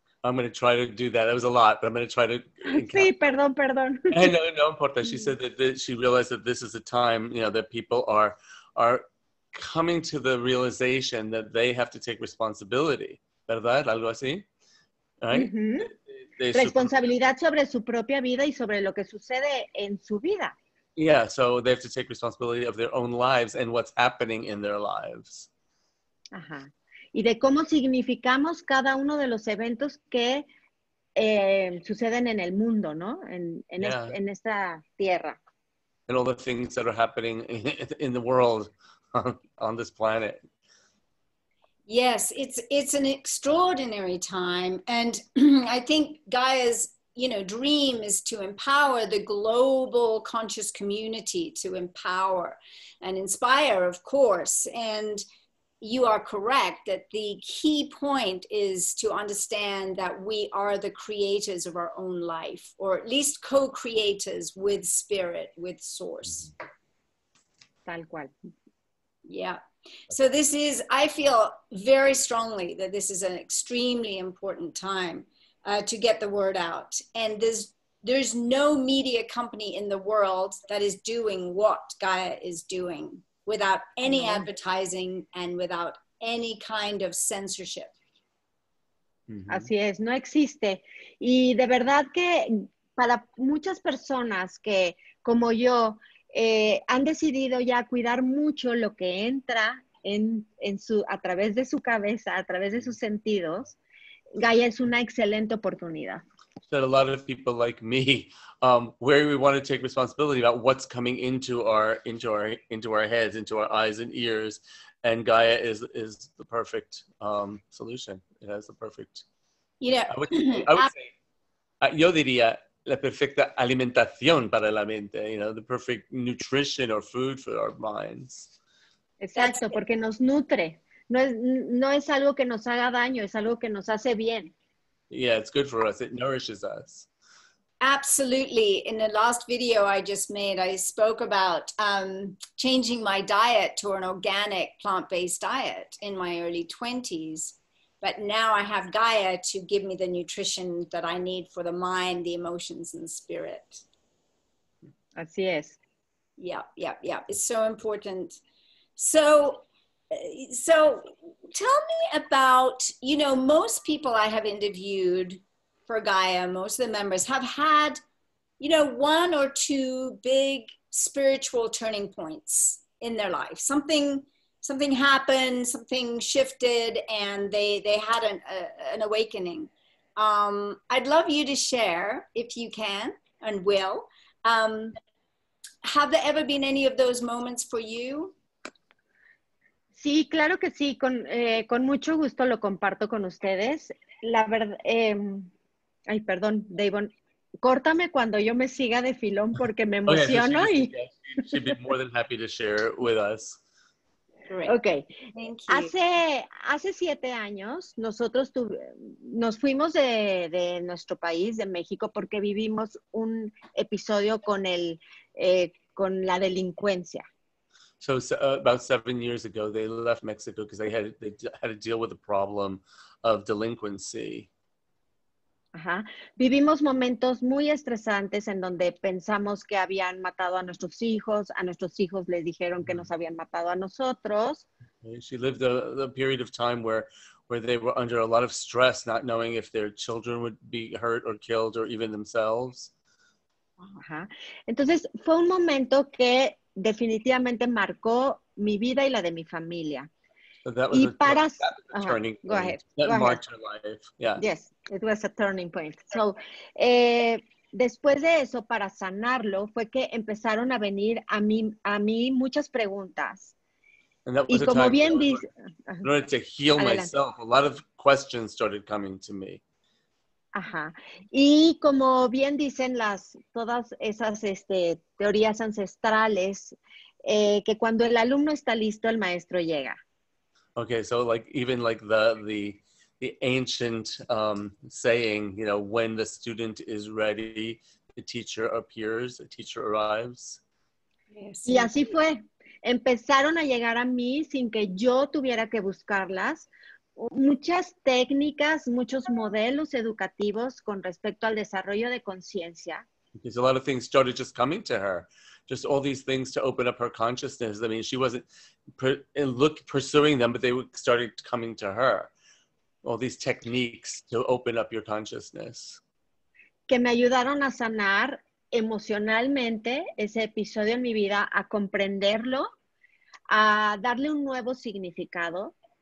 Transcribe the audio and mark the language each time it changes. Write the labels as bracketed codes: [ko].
[en] I'm going to try to do that. That was a lot, but I'm going to try to... [es] Sí, perdón. No importa. [en] She said that she realized that this is a time, you know, that people are coming to the realization that they have to take responsibility. [es] ¿Verdad? Algo así. [en] Right? [es] Responsabilidad sobre su propia vida y sobre lo que sucede en su vida. [en] Yeah, so they have to take responsibility of their own lives and what's happening in their lives. Ajá. [es] Y de cómo significamos cada uno de los eventos que suceden en el mundo, ¿no? En esta tierra. [en] And all the things that are happening in the world on this planet. Yes, it's an extraordinary time. And I think Gaia's, you know, dream is to empower the global conscious community, to empower and inspire, of course. And you are correct that the key point is to understand that we are the creators of our own life, or at least co-creators with spirit, with source. [es] Tal cual. [en] Yeah. So this is, I feel very strongly that this is an extremely important time to get the word out. And there's no media company in the world that is doing what Gaia is doing. Without any advertising and without any kind of censorship. [es] Mm-hmm. Así es, no existe. Y de verdad que para muchas personas que, como yo, han decidido ya cuidar mucho lo que entra a través de su cabeza, a través de sus sentidos, Gaia es una excelente oportunidad. [en] That a lot of people like me, where we want to take responsibility about what's coming into our heads, into our eyes and ears, and Gaia is the perfect solution. It has the perfect, you know, I would say, [es] yo diría la perfecta alimentación para la mente, [en] you know, the perfect nutrition or food for our minds. [es] Exacto, porque nos nutre. No es algo que nos haga daño, es algo que nos hace bien. [en] Yeah, it's good for us. It nourishes us. Absolutely. In the last video I just made, I spoke about changing my diet to an organic plant-based diet in my early 20s. But now I have Gaia to give me the nutrition that I need for the mind, the emotions, and the spirit. [es] Así es. [en] Yeah. It's so important. So tell me about, you know, most people I have interviewed for Gaia, most of the members have had, you know, one or two big spiritual turning points in their life. Something happened, something shifted, and they had an awakening. I'd love you to share, if you can and will. Have there ever been any of those moments for you? [es] Sí, claro que sí. Con mucho gusto lo comparto con ustedes. La verdad, ay, perdón, Devon, córtame cuando yo me siga de filón porque me emociono. [en] Oh, yeah, so she'd be more than happy to share it with us. Great. Okay. Thank you. [es] Hace 7 años nos fuimos de nuestro país, de México, porque vivimos un episodio con con la delincuencia. [en] So about 7 years ago, they left Mexico because they had to deal with the problem of delinquency. Ajá. [es] Vivimos momentos muy estresantes en donde pensamos que habían matado a nuestros hijos. A nuestros hijos les dijeron que nos habían matado a nosotros. [en] She lived a period of time where they were under a lot of stress, not knowing if their children would be hurt or killed or even themselves. Ajá. [es] Entonces, fue un momento que definitivamente marcó mi vida y la de mi familia. [en] So that was turning point. Go ahead. That marked your life. Yeah. Yes. It was a turning point. [es] So, después de eso, para sanarlo, fue que empezaron a venir a mí muchas preguntas. [en] And that was in order to heal myself, a lot of questions started coming to me. Ajá. [es] Y como bien dicen todas esas teorías ancestrales, que cuando el alumno está listo, el maestro llega. [en] Okay, so the ancient saying, you know, when the student is ready, the teacher appears, the teacher arrives. [es] Yes. Y así fue. Empezaron a llegar a mí sin que yo tuviera que buscarlas. Muchas técnicas, muchos modelos educativos con respecto al desarrollo de conciencia. [en] Because a lot of things started just coming to her. Just all these things to open up her consciousness. I mean, she wasn't pursuing them, but they started coming to her. All these techniques to open up your consciousness. [es] Que me ayudaron a sanar emocionalmente ese episodio en mi vida, a comprenderlo, a darle un nuevo significado.